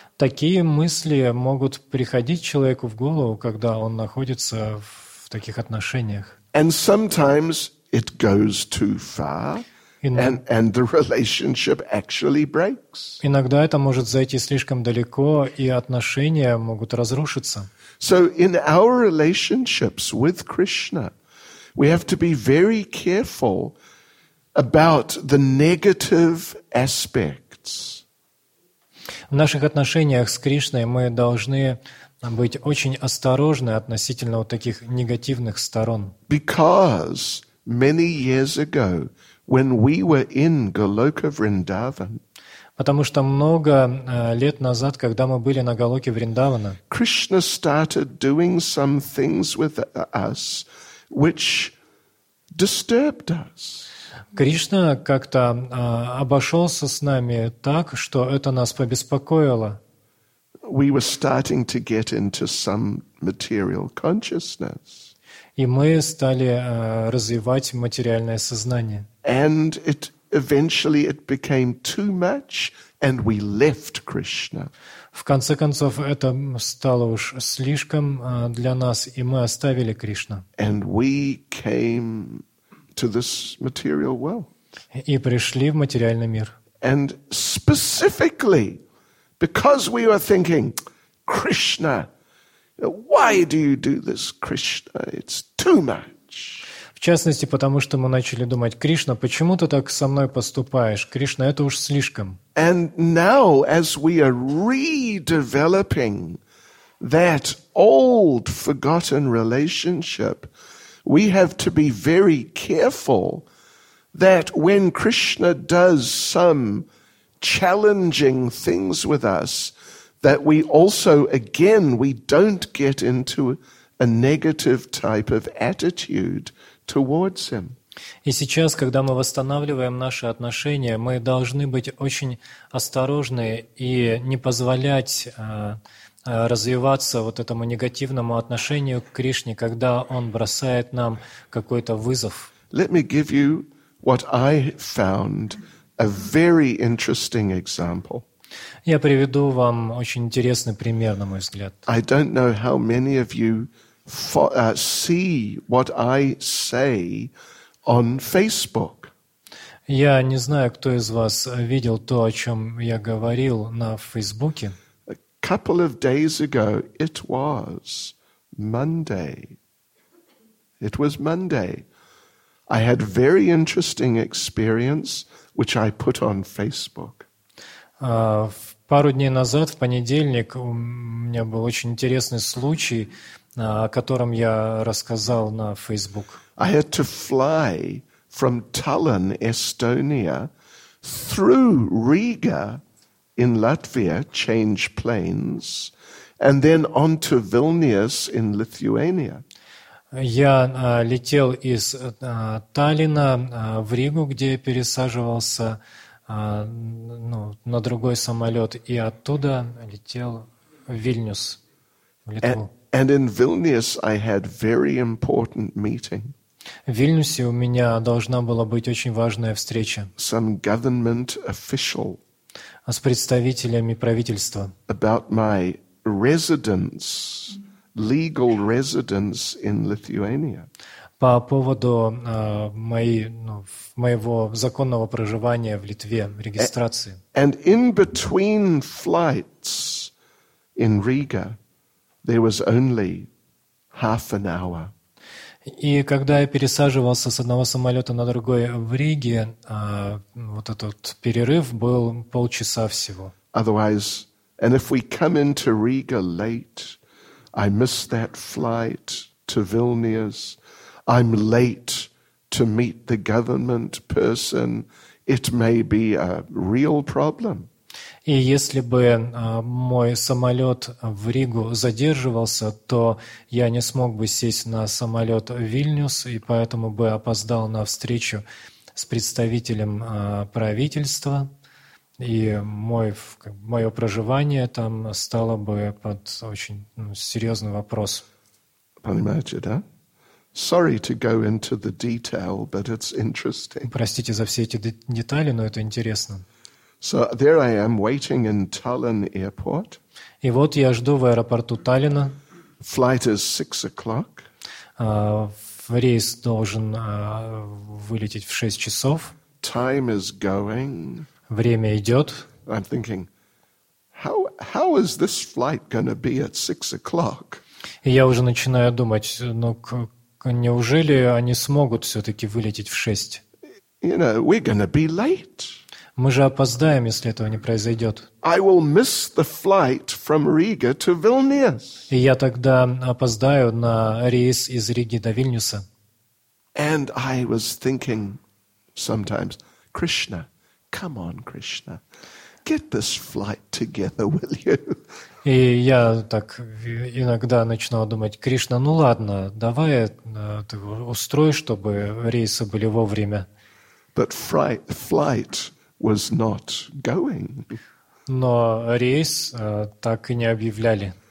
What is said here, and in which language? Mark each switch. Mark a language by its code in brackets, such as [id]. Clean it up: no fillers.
[ru] Такие мысли могут приходить человеку в голову, когда он находится в таких отношениях. [en] And sometimes it goes too far, and the relationship actually breaks. [ru] Иногда это может зайти слишком далеко, и отношения могут разрушиться. [en] So in our relationships with Krishna, we have to be very careful about the negative aspects. [ru] В наших отношениях с Кришной мы должны быть очень осторожны относительно вот таких негативных сторон. [en] Because many years ago, when we were in Goloka Vrindavan, [ru] потому что много лет назад, когда мы были на Голоке Вриндавана, [en] Krishna started doing some things with us, which disturbed us. [ru] Кришна как-то обошелся с нами так, что это нас побеспокоило. [en] We were starting to get into some material consciousness. [ru] И мы стали развивать материальное сознание. [en] And it eventually it became too much, and we left Krishna. [ru] В конце концов, это стало уж слишком для нас, и мы оставили Кришну. [en] And we came to this material world. [ru] И пришли в материальный мир. [en] And specifically, because we were thinking, Krishna, why do you do this, Krishna? It's too much. [ru] В частности, потому что мы начали думать, Кришна, почему ты так со мной поступаешь? Кришна, это уж слишком. [en] And now, as we are redeveloping that old, forgotten relationship, we have to be very careful that when Krishna does some challenging things with us, that we also, again, we don't get into a negative type of attitude towards him. [ru] И сейчас, когда мы восстанавливаем наши отношения, мы должны быть очень осторожны и не позволять развиваться вот этому негативному отношению к Кришне, когда он бросает нам какой-то вызов. [en] Let me give you what I found a very interesting example. [ru] Я приведу вам очень интересный пример, на мой взгляд. [en] I don't know how many of you see what I say on Facebook. [ru] Я не знаю, кто из вас видел то, о чем я говорил на Фейсбуке. [en] A couple of days ago, it was Monday. It was Monday. I had very interesting experience, which I put on Facebook. [ru] Пару дней назад, в понедельник, у меня был очень интересный случай, о котором я рассказал на Facebook. [en] I had to fly from Tallinn, Estonia, through Riga in Latvia, change planes, and then on to Vilnius in Lithuania. [ru] Я летел из Таллина в Ригу, где я пересаживался на другой самолет, и оттуда летел в Вильнюс, в Литву. [en] And in Vilnius I had very important meeting. [ru] В Вильнюсе у меня должна была быть очень важная встреча. [en] Some government official. [ru] С представителями правительства. [en] About my residence. Legal residence in Lithuania. [ru] По поводу моего законного проживания в Литве, регистрации. [en] And in between flights in Riga, there was only half an hour. [ru] И когда я пересаживался с одного самолета на другой в Риге, этот перерыв был полчаса всего. [en] Otherwise, and if we come into Riga late, I miss that flight to Vilnius. I'm late to meet the government person. It may be a real problem. [ru] И если бы мой самолет в Ригу задерживался, то я не смог бы сесть на самолет в Вильнюс и поэтому бы опоздал на встречу с представителем правительства. И мое проживание там стало бы под очень серьезный вопрос. Понимаете, да? [en] Sorry to go into the detail, but it's interesting. [ru] Простите за все эти детали, но это интересно. [en] So there I am waiting in Tallinn Airport. [ru] И вот я жду в аэропорту Таллина. [en] Flight is 6 o'clock. [ru] Рейс должен вылететь в 6 часов. [en] Time is going. [ru] Время идет. [en] I'm thinking, how is this flight gonna be at 6 o'clock? [ru] И я уже начинаю думать, неужели они смогут все-таки вылететь в 6? [en] You know, we're gonna be late. [ru] Мы же опоздаем, если этого не произойдет. [en] I will miss the flight from Riga to Vilnius. [ru] И я тогда опоздаю на рейс из Риги до Вильнюса. [en] And I was thinking sometimes, Krishna. Come on, Krishna, get this flight together, will you? [ru] И я так иногда начинал думать, Кришна, ладно, давай устрой, чтобы рейсы были вовремя. [en] But flight was not going. [ru] Но рейс так и не объявляли.